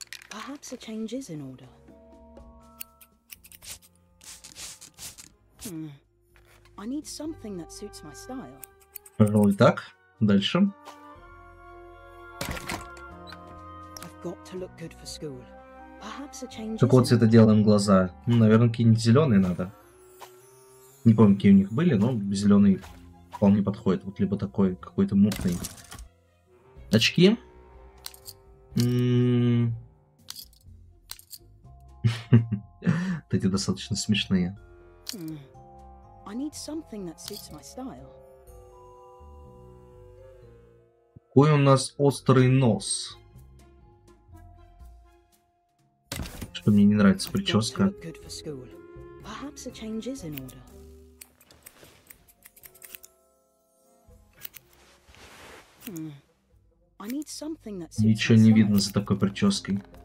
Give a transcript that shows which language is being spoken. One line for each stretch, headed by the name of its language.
English: Perhaps a change is in order. I need something that suits my style.
Russian: Пожалуй, так. Дальше.
English: I've got to look good for school. Perhaps a change.
Russian: Какого цвета делаем глаза? Ну, наверное, какие-нибудь зеленые надо. Не помню, какие у них были, но зеленый вполне подходит. Вот либо такой какой-то мутный. Очки. Эти достаточно смешные.
English: I need something that suits my style.
Russian: Какой у нас острый нос. Что мне не нравится прическа.
English: Perhaps a change is in order. I need something that suits my style.
Russian: Ничего не видно за такой прической.